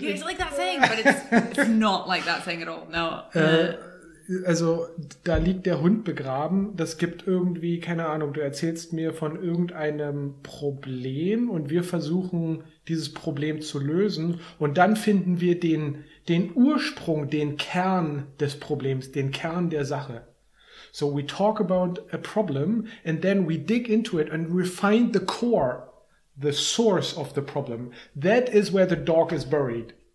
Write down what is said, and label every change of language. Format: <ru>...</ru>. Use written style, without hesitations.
<en>yeah, it's like that saying, but it's not like that saying at all. No.</en> <de>Also, da liegt der Hund begraben. Das gibt irgendwie, keine Ahnung, du erzählst mir von irgendeinem Problem und wir versuchen, dieses Problem zu lösen. Und dann finden wir den Ursprung, den Kern des Problems, den Kern der Sache.</de> <en>So we talk about a problem and then we dig into it and we find the core, the source of the problem. That is where the dog is buried.</en>